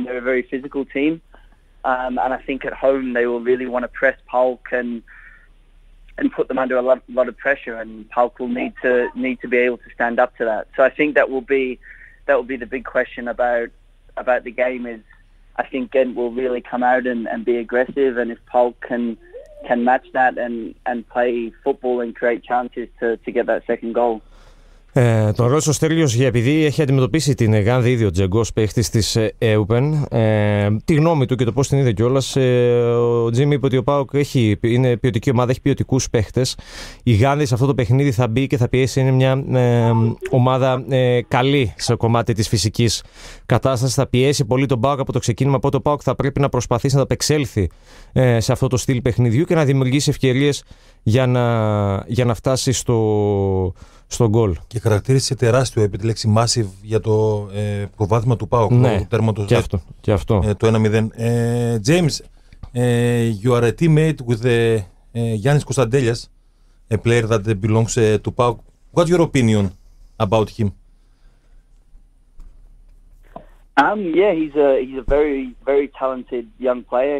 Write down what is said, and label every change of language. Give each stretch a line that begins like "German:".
English: They're a very physical team. And I think at home they will really want to press PAOK and put them under a lot of pressure, and PAOK will need to be able to stand up to that. So I think that will be the big question about the game. Is I think Ghent will really come out and be aggressive, and if PAOK can match that and play football and create chances to get that second goal.
Greek: Τον ρώτησε ο Στέλιος για, επειδή έχει αντιμετωπίσει την Γάνδη ήδη ο Τζέγκος, παίχτης της Open, τη γνώμη του και το πώς την είδε κιόλας. Ο Τζίμι είπε ότι ο ΠΑΟΚ είναι ποιοτική ομάδα, έχει ποιοτικούς παίχτες. Η Γάνδη σε αυτό το παιχνίδι θα μπει και θα πιέσει. Είναι μια ομάδα καλή σε κομμάτι της φυσικής κατάστασης. Θα πιέσει πολύ τον ΠΑΟΚ από το ξεκίνημα. Οπότε ο ΠΑΟΚ θα πρέπει να προσπαθήσει να απεξέλθει σε αυτό το στυλ παιχνιδιού και να δημιουργήσει ευκαιρίες για να φτάσει στο γκολ. Και χαρακτήρισε τεράστιο επί τη λέξη massive για το προβάδισμα του ΠΑΟΚ. Ναι, το τέρμα του, και αυτό. Και αυτό. Το 1-0.
English: James, you are a teammate with Giannis Kostadelias, a player that belongs to ΠΑΟΚ. What's your opinion about him? Yeah, he's a very, very talented young player.